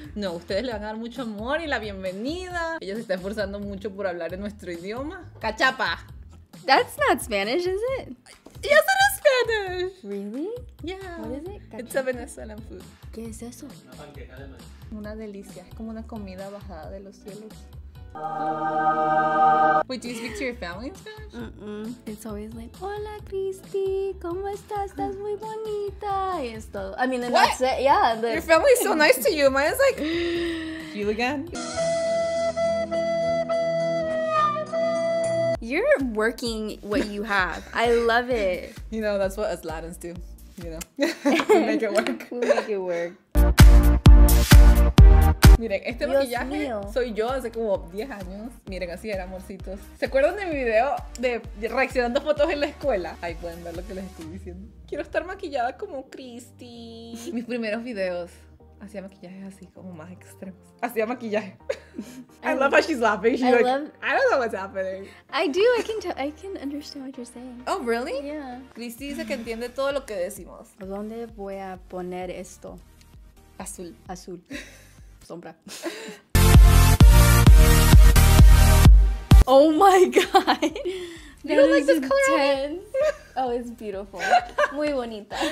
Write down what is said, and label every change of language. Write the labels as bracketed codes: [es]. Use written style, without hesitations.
[es] No, ustedes le van a dar mucho amor y la bienvenida. Ella se está esforzando mucho por hablar en nuestro idioma. ¡Cachapa! [en] That's not Spanish, is it? Yes, it is Spanish. Really? Yeah. What is it? Cachapa. It's a Venezuelan food. [es] ¿Qué es eso? Una panqueca de maíz. Una delicia, es como una comida bajada de los cielos. [en] Wait, do you speak to your family in Spanish? Mm-mm. It's always like, [es] hola Cristi, ¿cómo estás? Estás muy bonita. Y es todo. [en] I mean, and that's it. Yeah. The... Your family is so nice to you. Maya's like, you again? You're working what you have. I love it. You know, that's what us Latins do. You know, we make it work. We make it work. [es] Miren, este Dios maquillaje mío. Soy yo hace como 10 años. Miren, así era, amorcitos. ¿Se acuerdan de mi video de reaccionando fotos en la escuela? Ahí pueden ver lo que les estoy diciendo. Quiero estar maquillada como Cristi. Mis primeros videos hacía maquillajes así como más extremos. Hacía maquillaje. [en] I love how she's laughing. She's I don't know what's happening. I do, I can understand what you're saying. Oh, really? Yeah. [es] Cristi dice que entiende todo lo que decimos. ¿Dónde voy a poner esto? Azul. Azul. Sombra. [en] Oh my god. You don't like this color? Intense. Oh, it's beautiful. [es] Muy bonita.